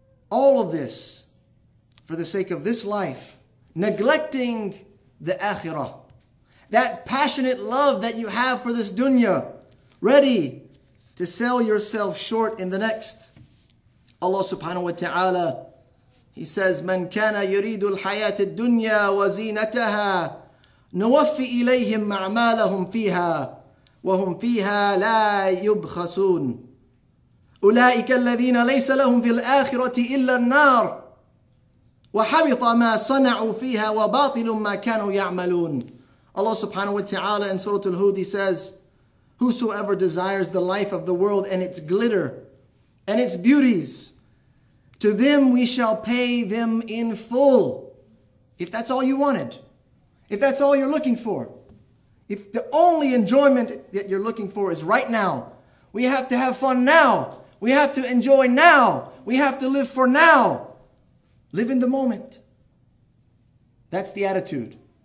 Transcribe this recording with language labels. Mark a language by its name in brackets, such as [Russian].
[English] All of this for the sake of this life, neglecting the akhirah, that passionate love that you have for this dunya, ready to sell yourself short in the next. Allah subhanahu wa ta'ala, He says, [Arabic] من كان يريد الحياة الدنيا وزينتها نوفي إليهم أعمالهم فيها وهم فيها لا يبخسون أولئك الذين ليس لهم في الآخرة إلا النار وحبط ما صنعوا فيها وباطل ما كانوا يعملون. [English] Allah subhanahu wa ta'ala in Surah Al-Hud, He says, whosoever desires the life of the world and its glitter and its beauties, to them we shall pay them in full. If that's all you wanted, if that's all you're looking for, if the only enjoyment that you're looking for is right now, we have to have fun now, we have to enjoy now, we have to live for now, live in the moment. That's the attitude.